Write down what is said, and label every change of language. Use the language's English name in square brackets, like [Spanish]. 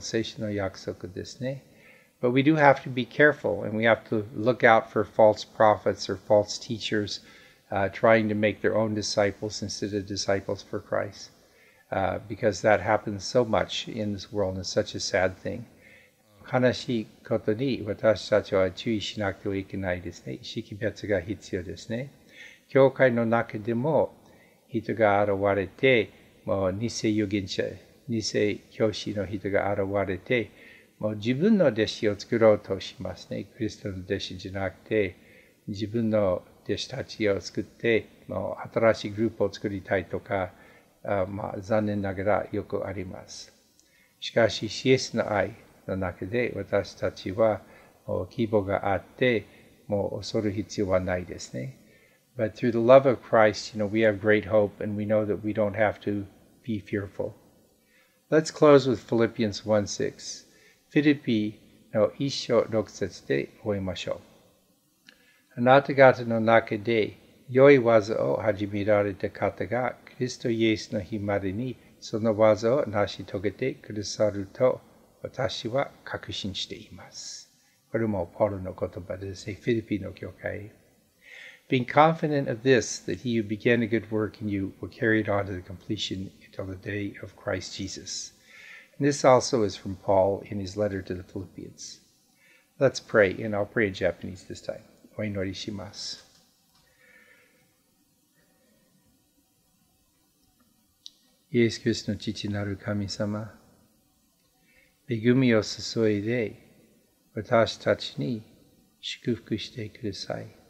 [Japanese] 聖書の約束ですね。 [English] But we do have to be careful, and we have to look out for false prophets or false teachers trying to make their own disciples instead of disciples for Christ, because that happens so much in this world, and it's such a sad thing. [Japanese] 悲しいことに私たちは注意しなくてはいけないですね。識別が必要ですね。教会の中でも人が現れて、もう偽預言者、偽教師の人が現れて、もう自分の弟子を作ろうとしますね。クリストの弟子じゃなくて、自分の弟子たちを作って、もう新しいグループを作りたいとか、残念ながらよくあります。しかし、シエスの愛の中で私たちはもう希望があって、もう恐る必要はないですね。 [English] But through the love of Christ, you know, we have great hope and we know that we don't have to be fearful. Let's close with Philippians 1:6. [Japanese] フィリピの一章六節で終えましょう。あなた方の中で良い技を始められた方が、キリストイエスの日までにその技を成し遂げてくださると、私は確信しています。これもポールの言葉です。フィリピンの教会。 [English] Being confident of this, that he who began a good work in you will carry it on to the completion until the day of Christ Jesus. And this also is from Paul in his letter to the Philippians. Let's pray, and I'll pray in Japanese this time. [Japanese] お祈りします。イエス・キリストの父なる神様、恵みを注いで、私たちに祝福してください。